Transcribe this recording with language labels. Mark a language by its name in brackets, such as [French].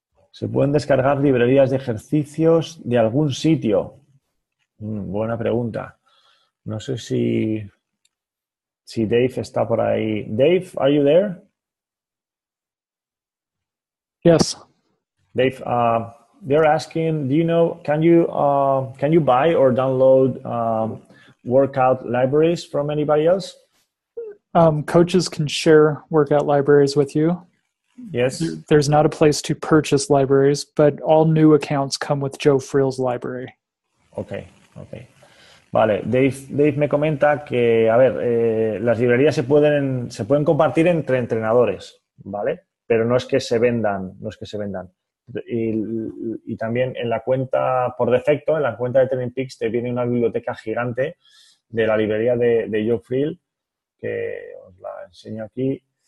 [Spanish] ¿Se pueden descargar librerías de ejercicios de algún sitio? Buena pregunta. No sé si Dave está por ahí. [English] Dave, are you there? Yes. Dave, they're asking, can you buy or download workout libraries from anybody else? Coaches can share workout libraries with you. Yes. There's not a place to purchase libraries, but all new accounts come with Joe Friel's library. Okay. [Spanish] Vale, Dave me comenta que, a ver, las librerías se pueden compartir entre entrenadores, ¿vale? Pero no es que se vendan, no es que se vendan. Y también en la cuenta, por defecto, en la cuenta de TrainingPeaks te viene una biblioteca gigante de la librería de Joe Friel, que os la enseño aquí.